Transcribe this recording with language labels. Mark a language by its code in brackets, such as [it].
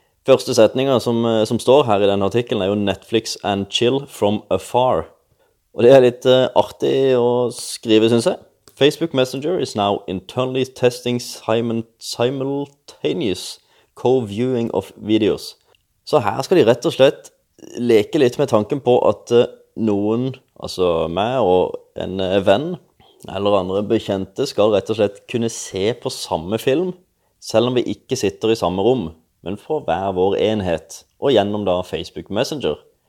[no] Første setninger som står her i denne artikkelen er jo [en] Netflix and chill from afar. [no] Og det er litt artig å skrive, synes jeg. [en] Facebook Messenger is now internally testing simultaneous co-viewing of videos. [no] Så her skal de rett og slett leke litt med tanken på at noen, altså meg og en venn eller andre bekjente, skal rett og slett kunne se på samme film, selv om vi ikke sitter i samme rom, men fra hver vår enhet og gjennom da Facebook Messenger.